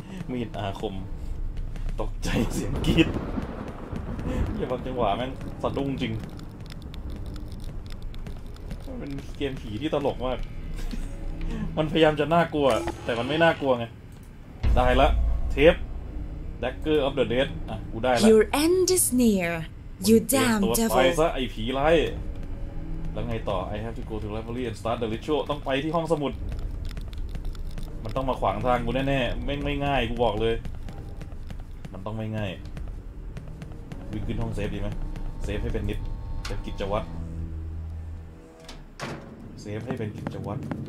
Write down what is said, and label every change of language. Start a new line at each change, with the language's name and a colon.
Thai: มีดอาคมตกใจเสียงกรีด อย่าบังจังหวะแม่งสะดุ้งจริงมันเป็นเกมผีที่ตลกมากมันพยายามจะน่ากลัวแต่มันไม่น่ากลัวไงได้ละเทป Dagger of the Dead อ่ะกูได้ละ
English: Your end is near You damn devil
Thai: ตัวไปซะไอ้ผีร้ายแล้วไงต่อ
English: I have to go to library and start the ritual
Thai: ต้องไปที่ห้องสมุดมันต้องมาขวางทางกูแน่ๆไม่ง่ายกูบอกเลยมันต้องไม่ง่ายวิ่งขึ้นห้องเซฟดีไหมเซฟให้เป็นนิดเป็นกิจวัตรเซฟให้เป็นกิจวัตร